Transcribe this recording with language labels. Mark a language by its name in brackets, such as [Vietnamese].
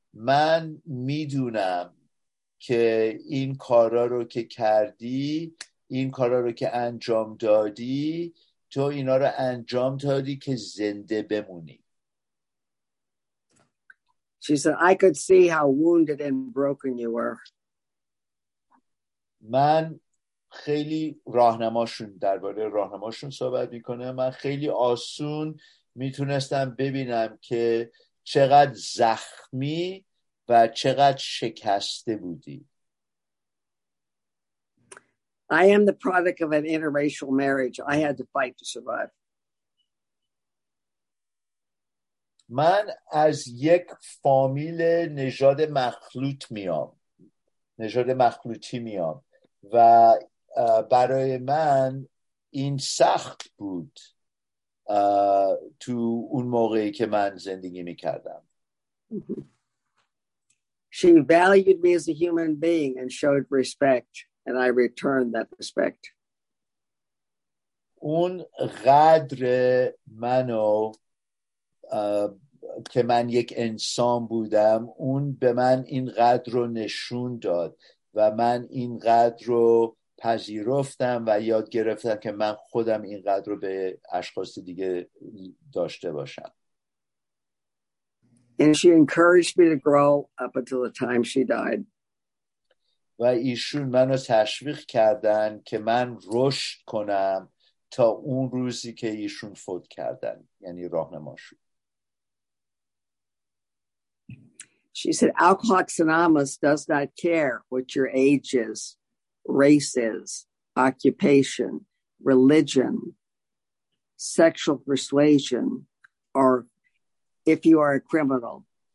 [Persian] من میدونم که این کارا رو که کردی، این کارا رو که انجام دادی، تو اینا رو انجام دادی که زنده بمونی. [English] She said, I could see how wounded and broken you were. [Persian] من خیلی راهنماشون درباره راهنماشون صحبت میکنه. من خیلی آسون میتونستم ببینم که چقدر زخمی و چقدر شکسته بودی. [English] I am the product of an interracial marriage. I had to fight to survive. [Persian] من از یک فامیل نژاد مخلوط میام. نژاد مخلوطی میام و برای من این سخت بود تو اون موقعی که من زندگی میکردم. [English] She valued me as a human being and showed respect and I returned that respect. [Persian] اون قدر منو که من یک انسان بودم، اون به من این قدر رو نشون داد و من این قدر رو پذیرفتم و یاد گرفتم که من خودم این قدر رو به اشخاص دیگه داشته باشم. [English] And she encouraged me to grow up until the time she died. [Persian] و ایشون منو تشویق کردن که من رشد کنم تا اون روزی که ایشون فوت کردن، یعنی راهنماشون. [English] She said, Alcoholics Anonymous does not care what your age is, race is, occupation, religion, sexual persuasion, or if you are a criminal.